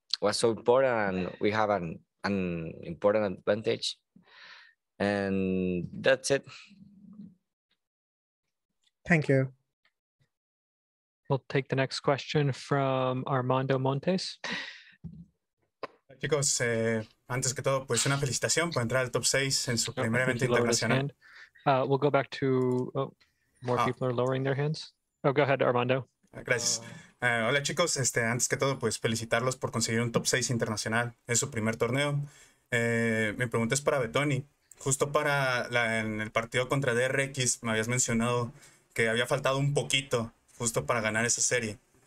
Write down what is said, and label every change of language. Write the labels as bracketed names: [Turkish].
[English] Was so important, and we have an important advantage. And that's it. Thank you. We'll take the next question from Armando Montes. [Spanish] Chicos, antes que todo, pues una felicitación por entrar al top 6 en su primer evento internacional. [English] We'll go back to people are lowering their hands. Oh, go ahead, Armando. [Spanish] Gracias. Hola, chicos. Antes que todo, pues felicitarlos por conseguir un top 6 internacional en su primer torneo. Mi pregunta es para Betoni. Justo para en el partido contra DRX, me habías mencionado que había faltado un poquito justo para ganar esa serie.